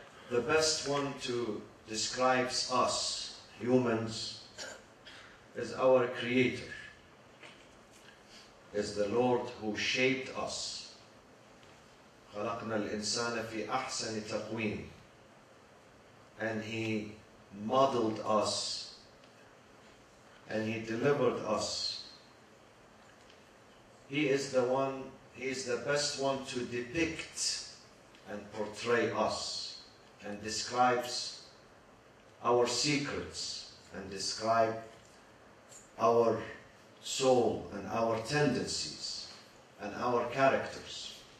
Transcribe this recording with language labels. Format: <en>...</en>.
<en>The best one to describe us humans is our creator, is the Lord who shaped us.</en> <ar>خلقنا الإنسان في أحسن تقويم.</ar> <en>And he modeled us and he delivered us. He is the one, he is the best one to depict and portray us and describes our secrets and describe our soul and our tendencies and our characters.</en>